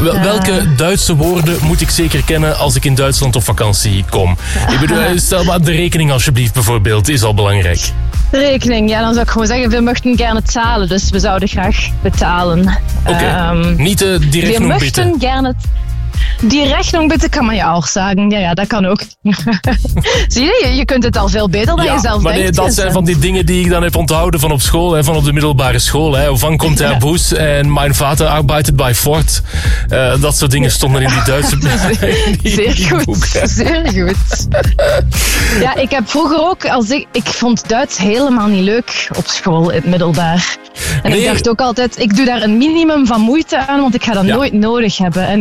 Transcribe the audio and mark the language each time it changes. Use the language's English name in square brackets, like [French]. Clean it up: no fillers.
[Dutch] Ja, welke Duitse woorden moet ik zeker kennen als ik in Duitsland op vakantie kom? Ik bedoel, stel maar de rekening alsjeblieft bijvoorbeeld, is al belangrijk. Rekening, ja, dan zou ik gewoon zeggen, [German] we möchten gerne zahlen, [Dutch] dus we zouden graag betalen. Oké, niet [German] die rechnung bitte. We möchten gerne... Die rechnung bitte [Dutch] kan [German] man ja auch sagen. [Dutch] Ja, dat kan ook. Zie je, je kunt het al veel beter dan jezelf maar denkt. Nee, dat zijn van die dingen die ik dan heb onthouden van op school, van op de middelbare school. [German] Van komt der Bus en mein Vater arbeitet bei Ford. [Dutch] Dat soort dingen stonden in die Duitse Zeer goed. Ja, ik heb vroeger ook, ik vond Duits helemaal niet leuk op school, in het middelbaar. En ik dacht ook altijd, ik doe daar een minimum van moeite aan, want ik ga dat nooit nodig hebben.